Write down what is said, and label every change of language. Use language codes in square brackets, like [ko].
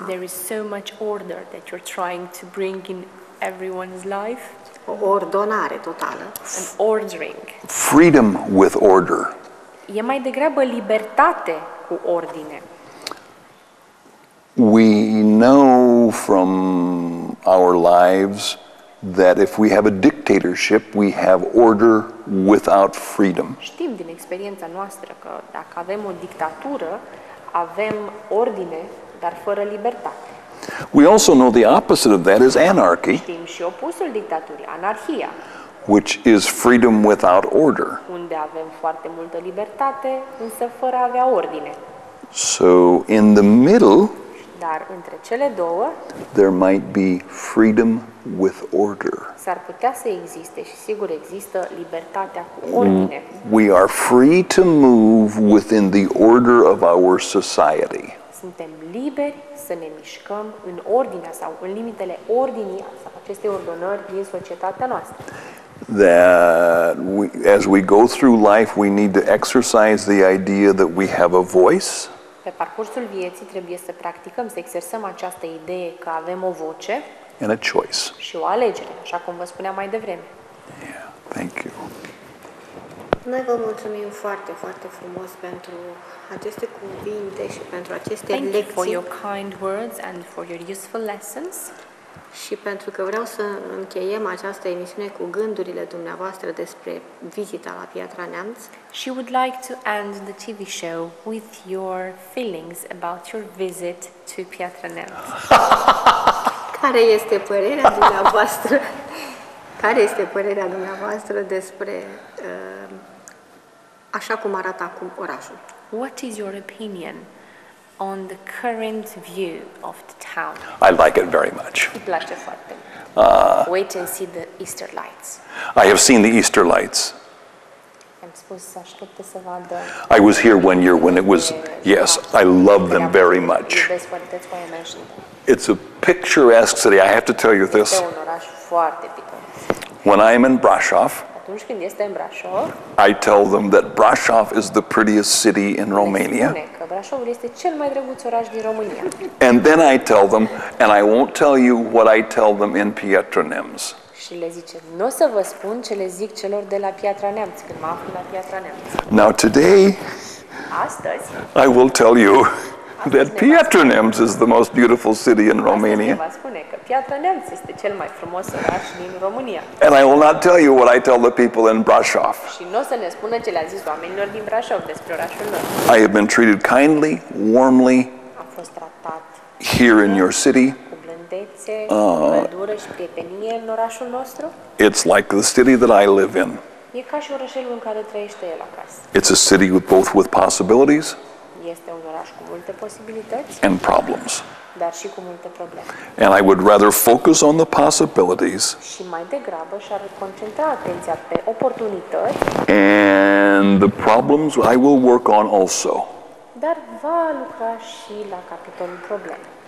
[en] There is so much order that you're trying to bring in everyone's life. [ro] O ordonare totală. [en] An ordering. Freedom with order. [ro] E mai degrabă libertate cu ordine. [en] We know from our lives that if we have a dictatorship, we have order without freedom. [ro] Știm din experiența noastră că dacă avem o dictatură, avem ordine, dar fără libertate. [en] We also know the opposite of that is anarchy, [ro] știm și opusul dictaturii, anarhia, [en] which is freedom without order. [ro] Unde avem foarte multă libertate, însă fără a avea ordine. [en] So in the middle, [ro] dar între cele două, [en] there might be freedom with order. [ro] S-ar putea să existe și sigur există libertatea cu ordine. [en] We are free to move within the order of our society. [ro] Suntem liberi să ne mișcăm în ordinea sau în limitele ordinii sau acestei ordonări din societatea noastră. [en] That we, as we go through life, we need to exercise the idea that we have a voice. [ro] Pe parcursul vieții trebuie să practicăm, să exersăm această idee că avem o voce. [en] And a choice. [ro] Și o alegere, așa cum vă spuneam mai devreme. [en] Yeah, thank you. [ro] Noi vă mulțumim foarte, foarte frumos pentru aceste cuvinte și pentru aceste [en] Thank [ro] lecții. [en] Thank you for your kind words and for your useful lessons. [ro] Și pentru că vreau să încheiem această emisiune cu gândurile dumneavoastră despre vizita la Piatra Neamț. [en] She would like to end the TV show with your feelings about your visit to Piatra Neamț. [ro] Care este părerea dumneavoastră? Care este părerea dumneavoastră despre așa cum arată acum orașul? [en] What is your opinion on the current view of the town? I like it very much. [ro] Îmi place foarte mult. [en] Wait and see the Easter lights. I have seen the Easter lights. [ro] Am spus să aștepte să vadă. [en] I was here one year when it was, yes, I love them very much. That's why I mentioned them. It's a picturesque city, I have to tell you this. [ro] Este un oraș foarte picturesc. [en] When I am in Brașov, [ro] atunci când este în Brașov, [en] I tell them that Brașov is the prettiest city in Romania. [ro] Brașovul este cel mai drăguț oraș din România. [en] And then I tell them, and I won't tell you what I tell them in Piatra Neamț. [ro] Și le zice, n-o să vă spun ce le zic celor de la Piatra Neamț, când mă aflu la Piatra Neamț. [en] Now today, [ro] astăzi, [en] I will tell you that Piatra Neamț is the most beautiful city in Romania. [ro] Piatra Neamț este cel mai frumos oraș din România. [en] And I will not tell you what I tell the people in Brașov. [ro] Și nu o să ne spună ce le-a zis oamenilor din Brașov despre orașul lor. [en] I have been treated kindly, warmly. [ro] Am fost tratat [en] here in your city. [ro] Cu blândețe, cu căldură și prietenie în orașul nostru. [en] It's like the city that I live in. [ro] E ca și orașul în care trăiește el acasă. [en] It's a city with both with possibilities. [ro] Este un oraș cu multe posibilități. [en] And problems. [ro] Dar și cu multe probleme. [en] And I would rather focus on the possibilities. [ro] Și mai degrabă și-ar concentra atenția pe oportunități. [en] And the problems I will work on also. [ro] Dar va lucra și la capitolul probleme.